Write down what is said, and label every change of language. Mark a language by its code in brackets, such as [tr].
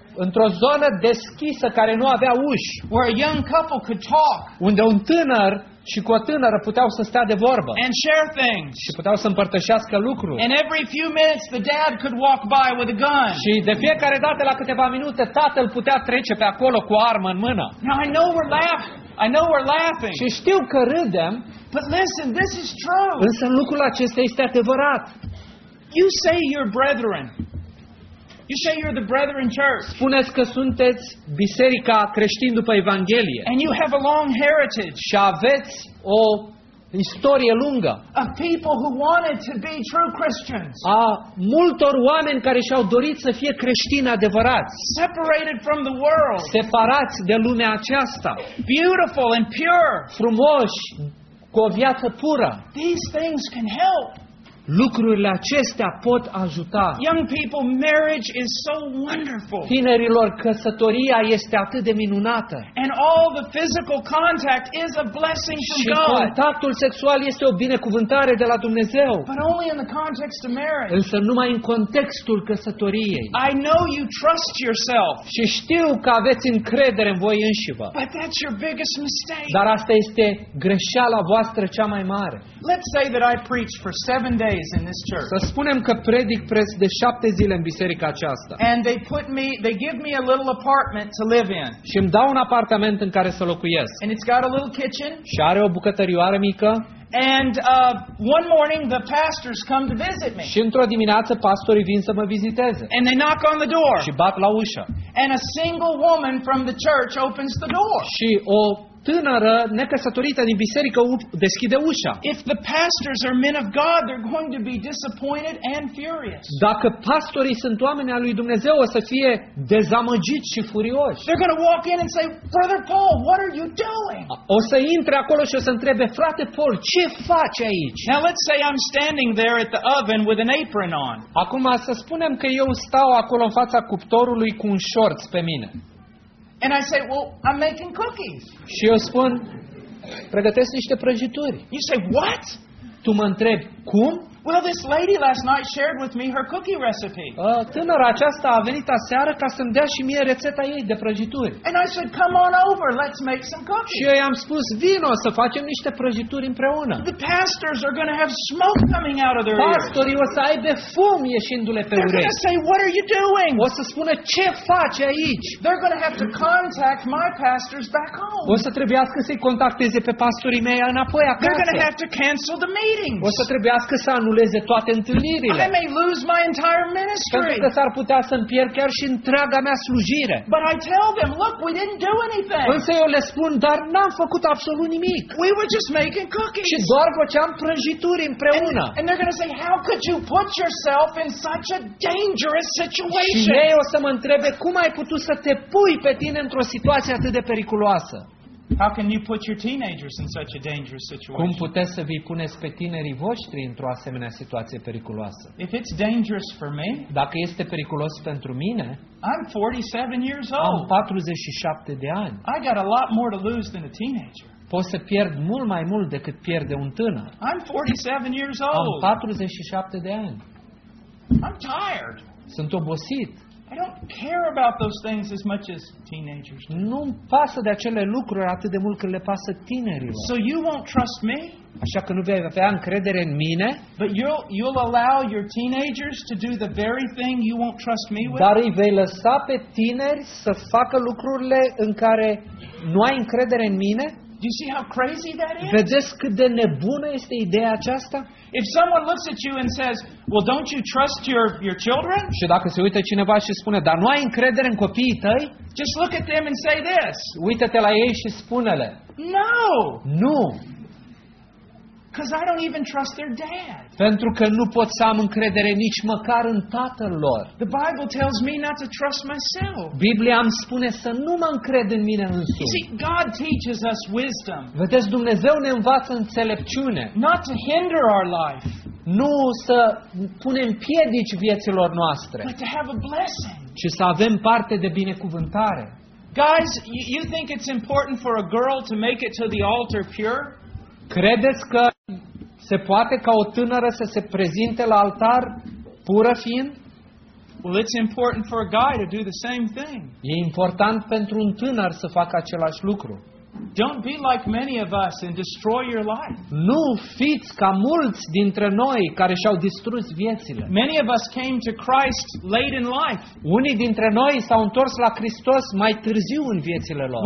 [ro] Într-o zonă deschisă care nu avea uși. [en] Where a young couple could talk. [ro] Unde un tânăr și cu o tânără puteau să stea de vorbă. [en] And share things. [ro] Și puteau să împărtășească lucruri. [en] And every few minutes the dad could walk by with a gun. [ro] Și de fiecare dată la câteva minute tatăl putea trece pe acolo cu o armă în mână. [en] Now I know we're laughing. I know we're laughing. [ro] Și știu că râdem. [en] But listen, this is true. [ro] Însă lucrul acesta este adevărat. [en] You say you're brethren. You say you're the brethren church. [ro] Spuneți că sunteți biserica creștină după Evanghelie. [en] And you have a long heritage. [ro] Și aveți o istorie lungă. [en] A people who wanted to be true Christians. [ro] A multor oameni care și-au dorit să fie creștini adevărați. [en] Separated from the world. [ro] Separați de lumea aceasta. [en] Beautiful and pure. [ro] Frumoși, cu o viață pură. [en] These things can help. [ro] Lucrurile acestea pot ajuta. [en] Young people, marriage is so wonderful. [ro] Tinerilor, căsătoria este atât de minunată. [en] And all the physical contact is a blessing from God. [ro] Și contactul sexual este o binecuvântare de la Dumnezeu. [en] But only in the context of marriage. [ro] Însă numai în contextul căsătoriei. [en] I know you trust yourself. [ro] Și știu că aveți încredere în voi înșivă. [en] But that's your biggest mistake. [ro] Dar asta este greșeala voastră cea mai mare. [en] Let's say that I preach for 7 days in this church. [ro] Să spunem că predic preț de 7 zile în biserica aceasta. [en] And they put me, they give me a little apartment to live in. [ro] Și îmi dau un apartament în care să locuiesc. [en] And it's got a little kitchen. [ro] Și are o bucătărioară mică. [en] And one morning the pastors come to visit me. [ro] Și într-o dimineață pastorii vin să mă viziteze. [en] And they knock on the door. [ro] Și bat la ușă. [en] And a single woman from the church opens the door. [ro] Și o tânără, necăsătorită din biserică deschide ușa. [en] If the pastors are men of God, they're going to be disappointed and furious. [ro] Dacă pastorii sunt oameni al lui Dumnezeu, o să fie dezamăgiți și furioși. [en] They're going to walk in and say, "Brother Paul, what are you doing?" [ro] O să intre acolo și o să întrebe, "Frate Paul, ce faci aici?" [en] Now let's say I'm standing there at the oven with an apron on. [ro] Acum să spunem că eu stau acolo în fața cuptorului cu un shorts pe mine. [en] And I say, "Well, I'm making cookies." [ro] Și eu spun, pregătesc niște prăjituri. [en] You say, "What?" [ro] Tu mă întrebi, cum? [en] Well, this lady last night shared with me her cookie recipe. [ro] Tânăra aceasta a venit aseară ca să-mi dea și mie rețeta ei de prăjituri. [en] And I said, "Come on over, let's make some cookies." [ro] Și eu i-am spus, vino să facem niște prăjituri împreună. [en] The pastors are going to have smoke coming out of their ears. [ro] Pastorii o să aibă fum ieșindu-le pe urechi. [en] They're going to say, "What are you doing?" [ro] O să spună, ce faci aici? [en] They're going to have to contact my pastors back home. [ro] O să trebuiască să-i contacteze pe pastorii mei înapoi acasă. [en] They're going to have to cancel the meetings. [ro] O să trebuiască să anuleze anuleze toate întâlnirile. [en] I may lose my entire ministry. [ro] Pentru că s-ar putea să-mi pierd chiar și întreaga mea slujire. [en] But I tell them, look, we didn't do anything. [ro] Însă eu le spun, dar n-am făcut absolut nimic. [en] We were just making cookies. [ro] Și doar făceam prăjituri împreună. [en] And they're going to say, how could you put yourself in such a dangerous situation? [ro] Și ei o să mă întrebe, cum ai putut să te pui pe tine într-o situație atât de periculoasă? [en] How can you put your teenagers in such a dangerous situation? [ro] Cum puteți să vi puneți pe tinerii voștri într-o asemenea situație periculoasă? [en] If it's dangerous for me, [ro] dacă este periculos pentru mine, [en] I'm 47 years old. [ro] Am 47 de ani. [en] I got a lot more to lose than a teenager. [ro] Pot să pierd mult mai mult decât pierde un tânăr. [en] I'm 47 years old. [ro] Am 47 de ani. [en] I'm tired. [ro] Sunt obosit. [en] I don't care about those things as much as teenagers. [ro] Nu-mi pasă de acele lucruri atât de mult cât le pasă tinerilor. [en] So you won't trust me? [ro] Așa că nu vei avea încredere în mine? [en] But you'll allow your teenagers to do the very thing you won't trust me with? [ro] Dar îi vei lăsa pe tineri să facă lucrurile în care nu ai încredere în mine? [en] Do you see how crazy that is? [ro] Vedeți cât de nebună este ideea aceasta? [en] If someone looks at you and says, "Well, don't you trust your children?" [ro] Și dacă se uită cineva și spune, "Dar nu ai încredere în copiii tăi?" [en] Just look at them and say this. [ro] Uită-te la ei și spune-le. [en] No. [ro] Nu. [en] Because I don't even trust their dad. [ro] Pentru că nu pot să am încredere nici măcar în tatăl lor. [en] The Bible tells me not to trust myself. [ro] Biblia îmi spune să nu mă încred în mine însumi. [en] See, God teaches us wisdom. [ro] Vedeți, Dumnezeu ne învață înțelepciune. [en] Not to hinder our life. [ro] Nu să punem piedici vieților noastre. [en] But to have a blessing. [ro] Ci să avem parte de binecuvântare. [en] Guys, you think it's important for a girl to make it to the altar pure? [ro] Credeți că se poate ca o tânără să se prezinte la altar pură fiind? [en] Well, it's important for a guy to do the same thing. [ro] E important pentru un tânăr să facă același lucru. [en] Don't be like many of us and destroy your life. [ro] Nu fiți ca mulți dintre noi care și-au distrus viețile. [en] Many of us came to Christ late in life. [ro] Unii dintre noi s-au întors la Hristos mai târziu în viețile lor.